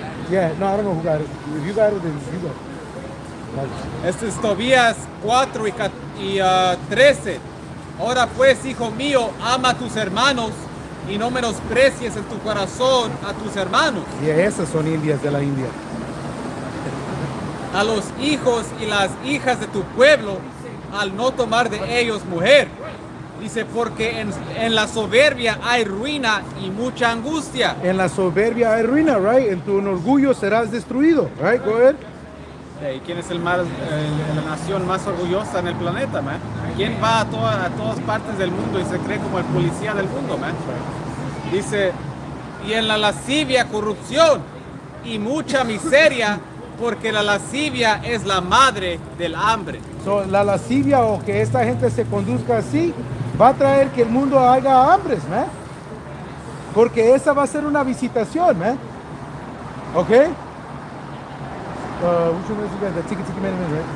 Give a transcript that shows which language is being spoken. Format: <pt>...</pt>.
<en>Yeah, no, I don't know who got it. If you got it, then you got it.</en> <es>Este es Tobías 4 y 13. Ahora pues, hijo mío, ama a tus hermanos y no menosprecies en tu corazón a tus hermanos. Y esas son indias de la India. A los hijos y las hijas de tu pueblo, al no tomar de ellos mujer. Dice, porque en la soberbia hay ruina y mucha angustia. En la soberbia hay ruina, right? En tu orgullo serás destruido, right?</es> <en>Go ahead.</en> <es>Hey, ¿quién es la nación más orgullosa en el planeta, man? ¿Quién va a todas partes del mundo y se cree como el policía del mundo, man? Dice, y en la lascivia corrupción y mucha miseria, porque la lascivia es la madre del hambre. So, la lascivia o que esta gente se conduzca así, va a traer que el mundo haga hambre, man. Porque esa va a ser una visitación, man. ¿Ok?</es> <en>Which one is you guys? The Tiki Man, right?</en>